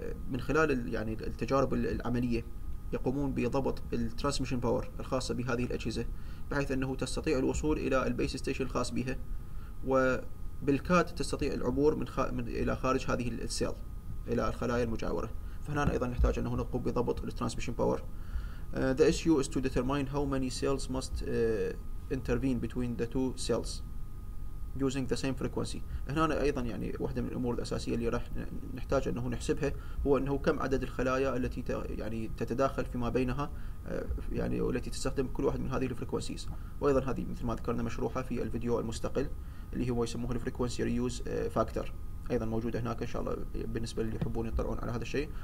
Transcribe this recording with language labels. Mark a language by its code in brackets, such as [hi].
[ar] من خلال يعني التجارب العمليه يقومون بضبط الترانسميشن باور الخاصه بهذه الاجهزه، بحيث انه تستطيع الوصول الى البيس ستيشن الخاص بها، وبالكاد تستطيع العبور من الى خارج هذه السيل الى الخلايا المجاوره. فهنا ايضا نحتاج انه نقوم بضبط الترانسميشن باور. [en] The issue is to determine how many cells must intervene between the two cells using the same frequency. [ar] هنا ايضا يعني واحده من الامور الاساسيه اللي راح نحتاج انه نحسبها هو انه كم عدد الخلايا التي يعني تتداخل فيما بينها، يعني والتي تستخدم كل واحد من هذه الفريكونسيز. وايضا هذه مثل ما ذكرنا مشروحه في الفيديو المستقل اللي هو يسموه الفريكونسي ريوز فاكتور، ايضا موجوده هناك ان شاء الله بالنسبه للي يحبون يطلعون على هذا الشيء.